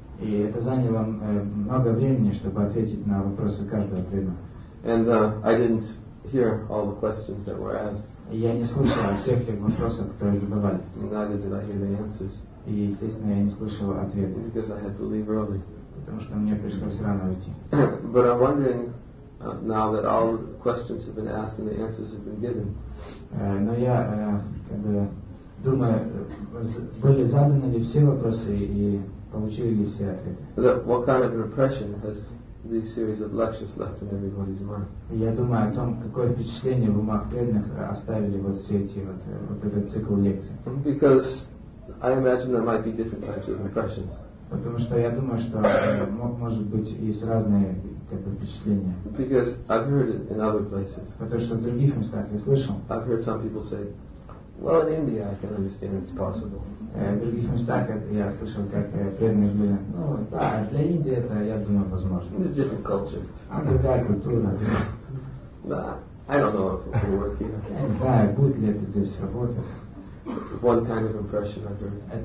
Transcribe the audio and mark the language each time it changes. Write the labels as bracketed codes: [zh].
[ru] И это заняло много времени, чтобы ответить на вопросы каждого преданного. [en] And I didn't hear all the questions that were asked. [ru] И я не слышал всех тех вопросов, которые задавали. [en] Neither did I hear the answers. [ru] И, естественно, я не слышал ответы. [en] Because I had to leave early. [ru] Потому что мне пришлось рано уйти. [en] But I'm wondering now that all the questions have been asked and the answers have been given. [ru] Но я как бы думаю, были заданы ли все вопросы и получили ли все ответы. [en] What kind of impression has these series of lectures left in everybody's mind? [ru] Я думаю о том, какое впечатление в умах преданных оставили вот все эти вот этот цикл лекций. [en] Because I imagine there might be different types of impressions. [ru] Потому что я думаю, что может быть есть разные как бы впечатления. [en] Because I've heard it in other places. [ru] Потому что в других местах я слышал. [en] I've heard some people say, well, in India I can understand it's possible. [ru] В других местах я слышал, как преданные говорят, ну да, для Индии это, я думаю, возможно. [en] It's a different culture. [ru] А другая культура. Да. [en] I don't know if it will work either. One kind of impression I've